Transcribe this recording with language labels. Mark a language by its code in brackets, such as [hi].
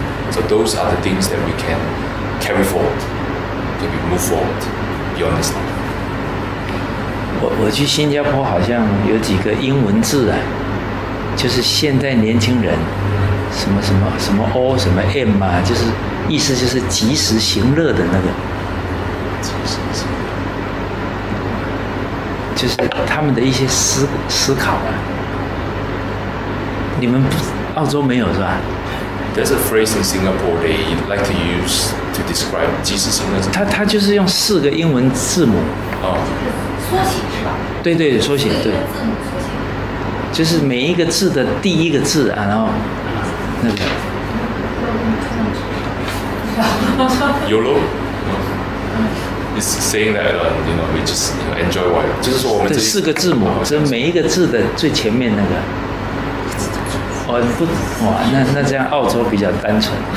[en] So, those are the things that we can carry forward, can we move forward beyond this life? [zh] 我去新加坡好像有几个英文字啊，就是现代年轻人什么什么什么 O 什么 M 啊，就是意思就是及时行乐的那个。就是他们的一些思考啊，你们澳洲没有是吧？ [en] there's a phrase in Singapore they like to use to describe [zh] 即时行乐。他就是用四个英文字母。哦。缩写是吧？对对，缩写对。就是每一个字的第一个字啊，然后那个。 [en] YOLO。 It's saying that, you know, we just, you know, enjoy life. [zh] 就是说我们这四个字母，这每一个字的最前面那个。哦，不，哇，那这样澳洲比较单纯。